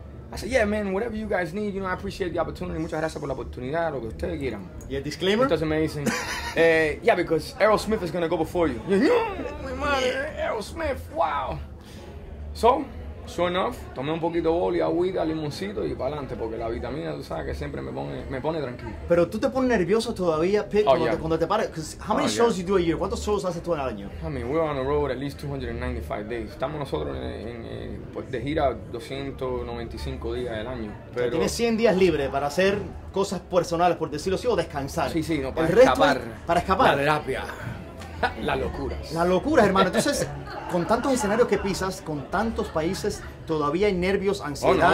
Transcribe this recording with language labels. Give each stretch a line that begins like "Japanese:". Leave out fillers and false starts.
English: I said, yeah, man, whatever you guys need, you know, I appreciate the opportunity.
Spanish: Muchas gracias por la oportunidad, lo que ustedes quieran. ¿Y el disclaimer? Entonces me dicen,
English: yeah, because Aerosmith is going to go before you.
Spanish: Yo, mi madre, Aerosmith, wow.
English: So, sure enough,
Spanish: tomé un poquito de boli, agüita, limoncito y para adelante, porque la vitamina, tú sabes, que siempre me pone tranquilo. Pero tú te pones nervioso todavía, Pete, cuando te pares.
English: Because how many shows you do a year?
Spanish: ¿Cuántos shows haces tú en el año?
English: I mean, we're on the road at least 295 days.
Spanish: Estamos nosotros de gira 295 días del año. Pero tienes 100 días libres para hacer cosas personales, por decirlo así, o descansar. Sí, sí, no, para escapar. Para escapar. La terapia. Las locuras. Las locuras, hermano. Entonces, con tantos escenarios que pisas, con tantos países, todavía hay nervios, ansiedad.